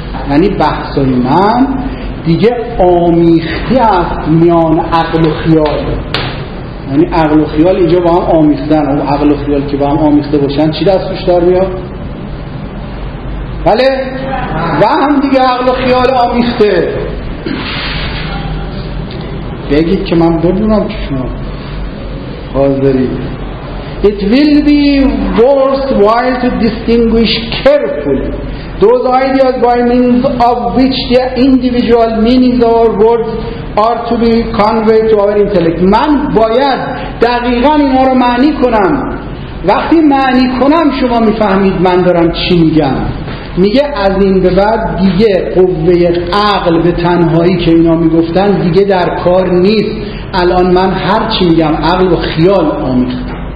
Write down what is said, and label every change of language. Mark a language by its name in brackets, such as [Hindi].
[Persian] یعنی بحثای من دیگه آمیختی است میان عقل و خیال، یعنی عقل و خیال اینجا با هم آمیختن، اون عقل و خیال که با هم آمیخته باشن چی دستش دار میاد؟ بله؟ و هم دیگه عقل و خیال آمیخته. بگید که من ببینم که شما حاضرید. [English] It will be worthwhile to distinguish carefully those ideas by means of which their individual meanings or words are to be conveyed to our intellect. [Persian] من باید دقیقا اینا رو معنی کنم. وقتی معنی کنم شما میفهمید من دارم چی میگم. میگه از این به بعد دیگه قوه عقل به تنهایی که اینا میگفتن دیگه در کار نیست، الان من هر چی میگم عقل و خیال آمیختم.